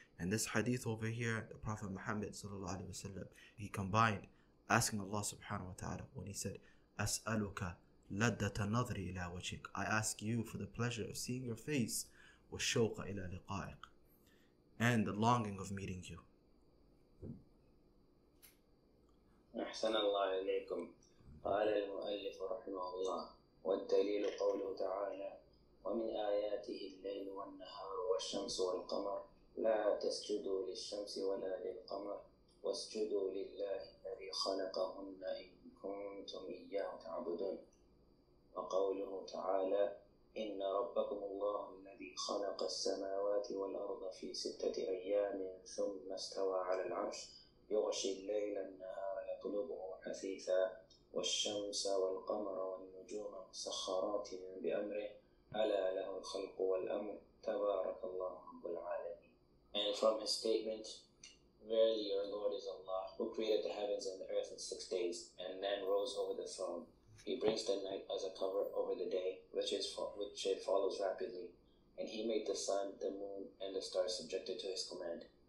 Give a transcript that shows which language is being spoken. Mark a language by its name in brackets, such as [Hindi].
[English] And this hadith over here, the Prophet Muhammad sallallahu alayhi wa sallam, he combined asking Allah subhanahu wa ta'ala when he said, [Arabic] As'aluka laddata nadri ila wajhik. [English] I ask you for the pleasure of seeing your face, [Arabic] wa shawqa ila liqa'ik, [English] and the longing of meeting you. [Arabic] أحسن الله إليكم قال المؤلف رحمه الله والدليل قوله تعالى ومن آياته الليل والنهار والشمس والقمر لا تسجدوا للشمس ولا للقمر واسجدوا لله الذي خلقهن إن كنتم إياه تعبدون وقوله تعالى إن رب خلق السماوات والأرض في ستة أيام ثم استوى على العرش يغشي الليل النهار يطلبه حثيثا والشمس والقمر والنجوم مسخرات بأمره ألا له الخلق والأمر تبارك الله رب العالمين. [English] And from his statement, verily your Lord is Allah, who created the heavens and the earth in 6 days, and then rose over the throne. He brings the night as a cover over the day, which it follows rapidly. And he made the sun, the moon, and the stars subjected to his command.